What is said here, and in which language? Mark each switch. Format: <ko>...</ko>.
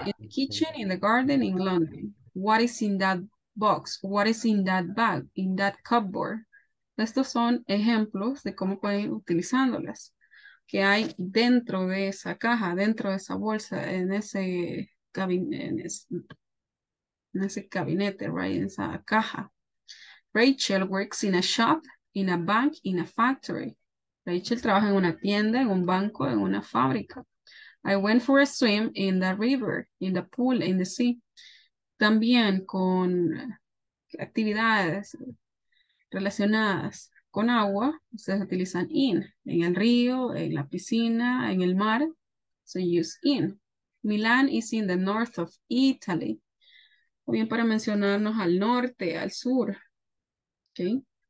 <en>In the kitchen, in the garden, in London. What is in that box? What is in that bag? In that cupboard?</en> <es>Estos son ejemplos de cómo pueden ir utilizándolas. ¿Qué hay dentro de esa caja, dentro de esa bolsa, en ese gabinete, right? En esa caja.</es> <en>Rachel works in a shop, in a bank, in a factory.</en> <es>Rachel trabaja en una tienda, en un banco, en una fábrica.</es> <en>I went for a swim in the river, in the pool, in the sea.</en> <es>También con actividades relacionadas con agua, ustedes utilizan in, en el río, en la piscina, en el mar,</es> <en>so use in. Milan is in the north of Italy,</en> <es>o bien para mencionarnos al norte, al sur, okay.</es>